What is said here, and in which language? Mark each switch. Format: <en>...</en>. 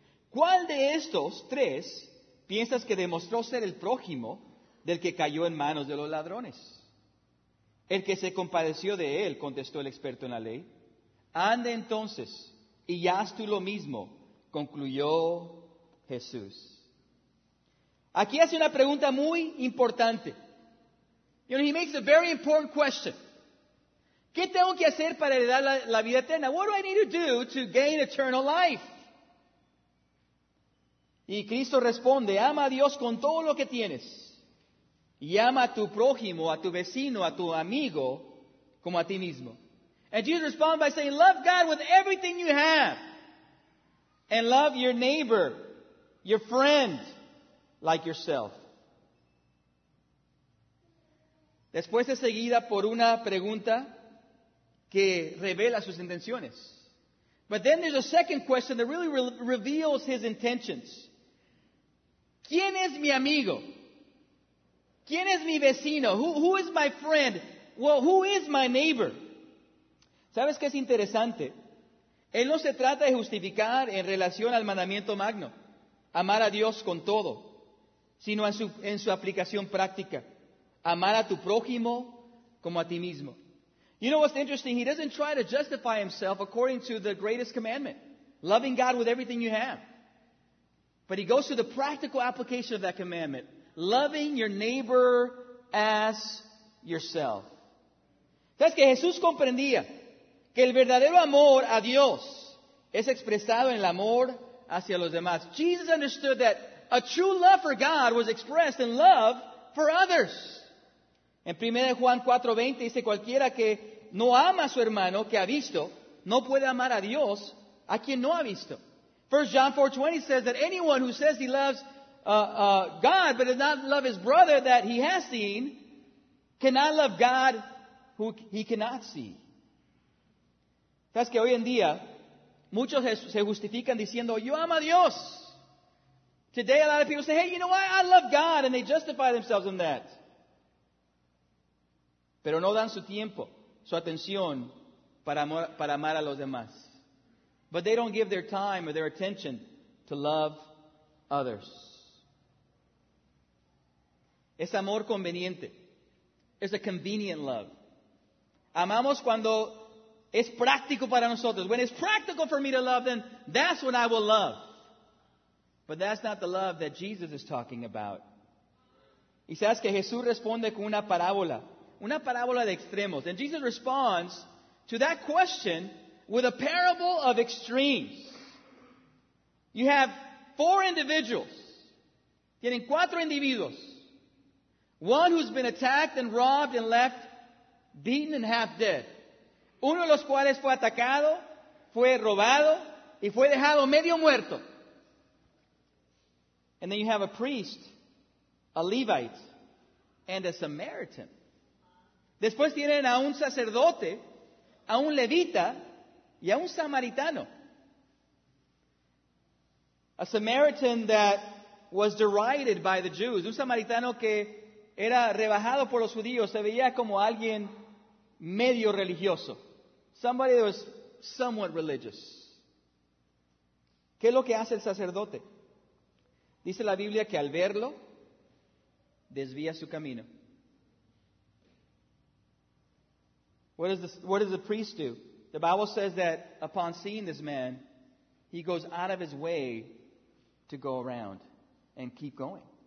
<es>¿Cuál de estos 3 piensas que demostró ser el prójimo del que cayó en manos de los ladrones? El que se compadeció de él, contestó el experto en la ley. Ande entonces y haz tú lo mismo, concluyó Jesús. Aquí hace una pregunta muy importante.</es> <en>You know, he makes a very important question.</en> <es>¿Qué tengo que hacer para heredar la vida eterna?</es> <en>What do I need to do to gain eternal life?</en> <es>Y Cristo responde, ama a Dios con todo lo que tienes. Y ama a tu prójimo, a tu vecino, a tu amigo, como a ti mismo.</es> <en>And Jesus responds by saying, love God with everything you have. And love your neighbor, your friend, like yourself.</en> <es>Después es seguida por una pregunta que revela sus intenciones.</es> <en>But then there's a second question that really reveals his intentions.</en> <es>¿Quién es mi amigo? ¿Quién es mi vecino?</es> <en>Who is my friend? Well, who is my neighbor?</en> <es>¿Sabes qué es interesante? Él no se trata de justificar en relación al mandamiento magno, amar a Dios con todo, sino en su aplicación práctica, amar a tu prójimo como a ti mismo.</es> <en>You know what's interesting? He doesn't try to justify himself according to the greatest commandment, loving God with everything you have. But he goes to the practical application of that commandment, loving your neighbor as yourself.</en> <es>¿Sabes que Jesús comprendía que el verdadero amor a Dios es expresado en el amor hacia los demás?</es> <en>Jesus understood that a true love for God was expressed in love for others.</en> <es>En 1 Juan 4:20 dice, cualquiera que no ama a su hermano que ha visto, no puede amar a Dios a quien no ha visto.</es> <en>1 John 4:20 says that anyone who says he loves God but does not love his brother that he has seen, cannot love God who he cannot see.</en> <es>¿Sabes que hoy en día muchos se justifican diciendo, yo amo a Dios?</es> <en>Today a lot of people say, hey, you know what, I love God, and they justify themselves in that.</en> <es>Pero no dan su tiempo, su atención para amar a los demás.</es> <en>But they don't give their time or their attention to love others.</en> <es>Es amor conveniente.</es> <en>It's a convenient love.</en> <es>Amamos cuando es práctico para nosotros.</es> <en>When it's practical for me to love, then that's when I will love. But that's not the love that Jesus is talking about.</en> <es>Y sabes que Jesús responde con una parábola. Una parábola de extremos.</es> <en>And Jesus responds to that question with a parable of extremes. You have four individuals.</en> <es>Tienen cuatro individuos.</es> <en>One who's been attacked and robbed and left beaten and half dead.</en> <es>Uno de los cuales fue atacado, fue robado y fue dejado medio muerto.</es> <en>And then you have a priest, a Levite, and a Samaritan.</en> <es>Después tienen a un sacerdote, a un levita y a un samaritano.</es> <en>A Samaritan that was derided by the Jews.</en> <es>Un samaritano que era rebajado por los judíos. Se veía como alguien medio religioso.</es> <en>Somebody that was somewhat religious.</en> <es>¿Qué es lo que hace el sacerdote? Dice la Biblia que al verlo, desvía su camino.</es> <en>What does the priest do? The Bible says that upon seeing this man, he goes out of his way to go around and keep going.</en>